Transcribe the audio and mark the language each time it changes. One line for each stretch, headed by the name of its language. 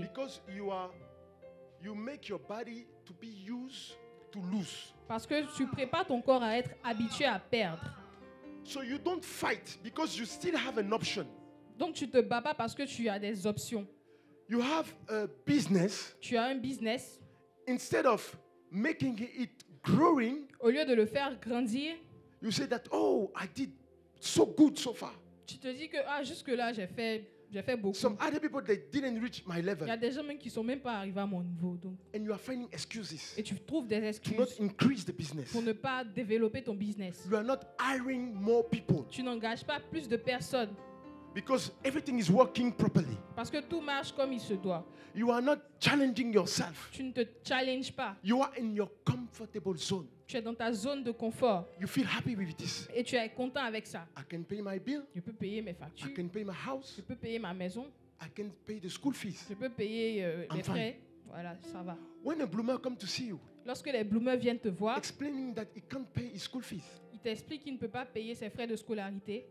English: Because you make your body to be used to lose.
French: Parce que tu prépares ton corps à être habitué à perdre.
English: So you don't fight because you still have an option.
French: Donc tu te bats pas parce que tu as des options.
English: You have a business.
French: Tu as un business.
English: Instead of making it growing,
French: au lieu de le faire grandir,
English: you say that, oh, I did so good so far.
French: Tu te dis que ah, jusque là j'ai fait beaucoup.
English: Some other people they didn't reach my level.
French: Il y a des gens même qui sont même pas arrivés à mon niveau donc.
English: And you are finding excuses.
French: Et tu trouves des excuses.
English: To not increase the business.
French: Pour ne pas développer ton business.
English: You are not hiring more people.
French: Tu n'engages pas plus de personnes.
English: Because everything is working properly.
French: Parce que tout marche comme il se doit.
English: You are not challenging yourself.
French: Tu ne te challenges pas.
English: You are in your comfortable zone.
French: Tu es dans ta zone de confort.
English: You feel happy with this.
French: Et tu es content avec ça.
English: I can pay my bill.
French: Je peux payer mes factures.
English: I can pay my house.
French: Je peux payer ma maison.
English: I can pay the school fees.
French: Je peux payer les Frais. Voilà, ça va.
English: When a bloomer come to see you,
French: lorsque les bloomers viennent te voir,
English: explaining that he can't pay his school fees,
French: il t'explique qu'il ne peut pas payer ses frais de scolarité.